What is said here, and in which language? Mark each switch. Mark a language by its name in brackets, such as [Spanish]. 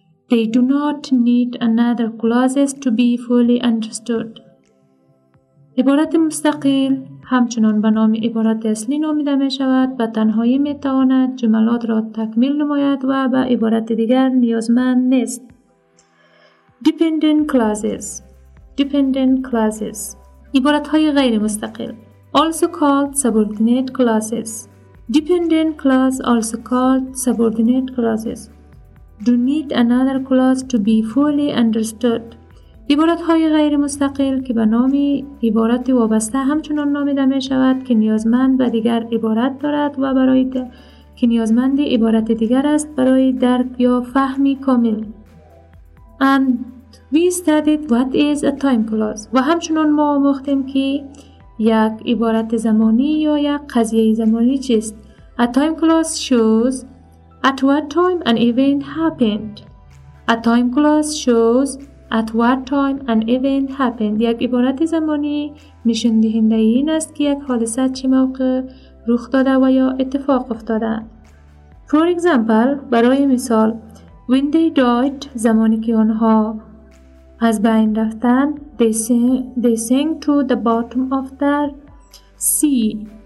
[English] They do not need another clauses to be fully understood. [Persian] عبارت مستقل همچنان به نام عبارت اصلی نامیده می شود، به تنهایی می تواند جملات را تکمیل نماید و به عبارت دیگر نیازمند نیست. [English] Dependent clauses [Persian] عبارت های غیر مستقل [English] also called subordinate clauses. Dependent clause also called subordinate clauses do need another clause to be fully understood. [Persian] عبارت های غیر مستقل که به نام عبارت وابسته همچنان نامیده می شود که نیازمند به دیگر عبارت دارد و برای که نیازمند عبارت دیگر است برای درک یا فهمی کامل. [English] And we studied what is a time clause. [Persian] و همچنان ما آموختیم که یک عبارت زمانی یا یک قضیه زمانی چیست. [English] A time clause shows at what time an event happened. A time clause shows at what time an event happened. [Persian] یک عبارت زمانی نشان دهنده این است که یک حادثه چه موقع رخ داده و یا اتفاق افتاده. [English] For example, [Persian] برای مثال, [English] when they died, [Persian] زمانی که آنها از بین رفتند, [English] they sank to the bottom of the sea.